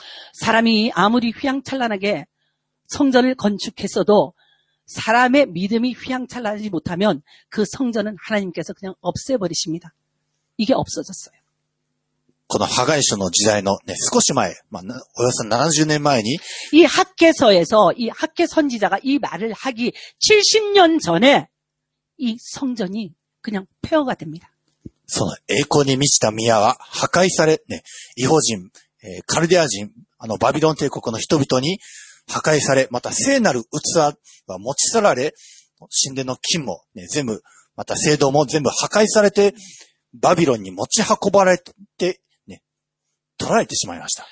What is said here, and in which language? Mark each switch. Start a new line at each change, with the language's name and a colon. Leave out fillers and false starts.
Korean: 사람이아무리휘황찬란하게성전을건축했어도사람의믿음이휘황찬란하지못하면그성전은하나님께서그냥없애버리십니다이게없어졌어요
Japanese: この破壊書の時代の、ね、少し前、まあ、およそ70年前に
Korean: 이학계서에서이학계선지자가이말을하기70년전에이성전이그냥폐허가됩니다
Japanese: その栄光に満ちた宮は破壊され、ね、異邦人、カルデア人、あのバビロン帝国の人々に破壊され、また聖なる器は持ち去られ、神殿の金も、ね、全部、また聖堂も全部破壊されて、バビロンに持ち運ばれて、ね、取られてしまいました。